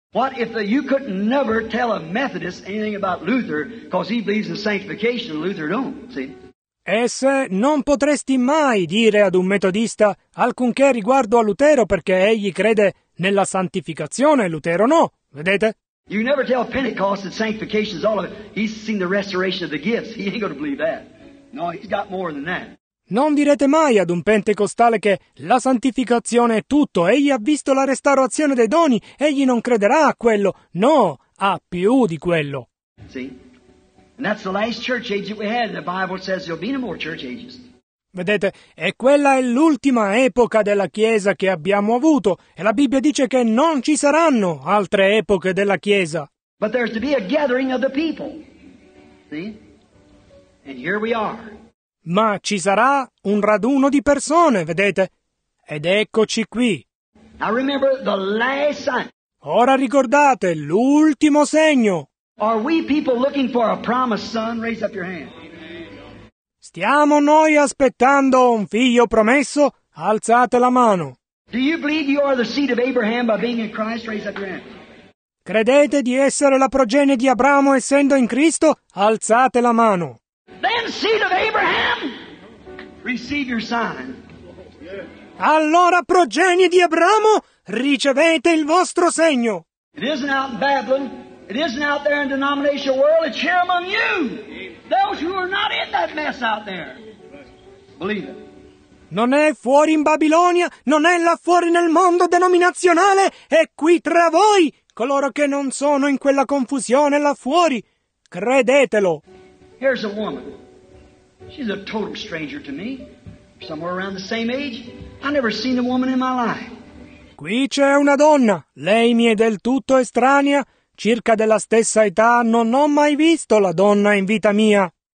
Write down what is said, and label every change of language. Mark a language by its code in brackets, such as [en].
[en] What if you could never tell a Methodist anything about Luther because he believes in sanctification and Luther don't, see? [it] E se non potresti mai dire ad un metodista alcunché riguardo a Lutero perché egli crede nella santificazione, Lutero no, vedete? [en] You never tell Pentecost that sanctification is all of it. He's seen the restoration of the gifts. He ain't gonna believe that. No, he's got more than that. [it] Non direte mai ad un pentecostale che la santificazione è tutto, egli ha visto la restaurazione dei doni, egli non crederà a quello. No, ha più di quello. Sì. [en] And that's the last church age that we had. The Bible says there'll be no more church ages. [it] Vedete, e quella è l'ultima epoca della Chiesa che abbiamo avuto. E la Bibbia dice che non ci saranno altre epoche della Chiesa. [en] But there's to be a gathering of the people. See? And here we are. [it] Ma ci sarà un raduno di persone, vedete? Ed eccoci qui. [en] Now remember the last sign. [it] Ora ricordate l'ultimo segno. [en] Are we people looking for a promised son? Raise up your hand. [it] Stiamo noi aspettando un figlio promesso? Alzate la mano. [en] Do you believe you are the seed of Abraham by being in Christ? Raise up your hand. [it] Credete di essere la progenie di Abramo essendo in Cristo? Alzate la mano. [en] Then seed of Abraham, receive your sign. [it] Allora progenie di Abramo, ricevete il vostro segno. [en] It isn't out in Babylon. It isn't out there in the denominational world. It's here among you. Those who are not in that mess out there. Believe it. [it] Non è fuori in Babilonia, non è là fuori nel mondo denominazionale, è qui tra voi, coloro che non sono in quella confusione là fuori. Credetelo. [en] Here's a woman. She's a total stranger to me. Somewhere around the same age. I've never seen a woman in my life. [it] Qui c'è una donna. Lei mi è del tutto estranea. Circa della stessa età, non ho mai visto la donna in vita mia.